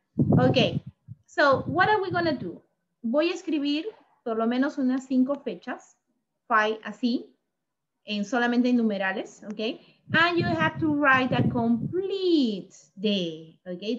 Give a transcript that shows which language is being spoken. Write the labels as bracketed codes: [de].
[en] Ok, so what are we going to do? [es] Voy a escribir por lo menos unas 5 fechas, 5 así, en solamente en numerales, ok? [en] And you have to write a complete day, ok?